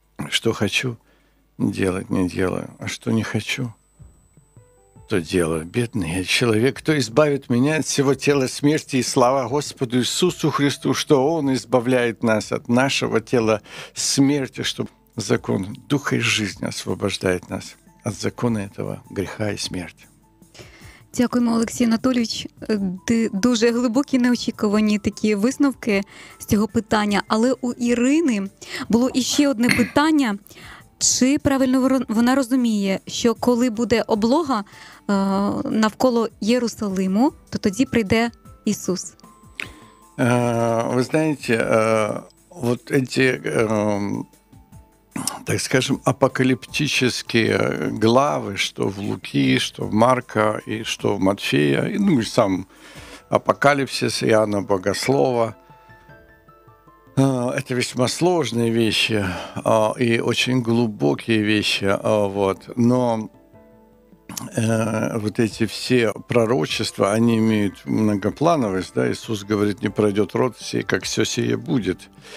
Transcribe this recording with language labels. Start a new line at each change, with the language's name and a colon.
Russian: Что хочу, делать не делаю, а что не хочу, то делаю. Бедный я человек, кто избавит меня от всего тела смерти, и слава Господу Иисусу Христу, что Он избавляет нас от нашего тела смерти, что закон Духа и жизни освобождает нас от закона этого греха и смерти.
Ukrainian: Дякуємо, Олексій Анатолійович. Дуже глибокі, неочікувані такі висновки з цього питання. Але у Ірини було іще одне питання. Чи правильно вона розуміє, що коли буде облога навколо Єрусалиму, то тоді прийде Ісус? Ви знаєте, от ці
Russian: так скажем,
Ukrainian: апокаліптичні глави, що в Луки, що в Марка, і що в Матфея, і ну і сам апокаліпсис Іоанна Богослова.
Russian: Это весьма сложные вещи и очень глубокие вещи, вот. Но вот эти все пророчества, они имеют многоплановость, да? Иисус говорит, не пройдет род сей, как все сие будет.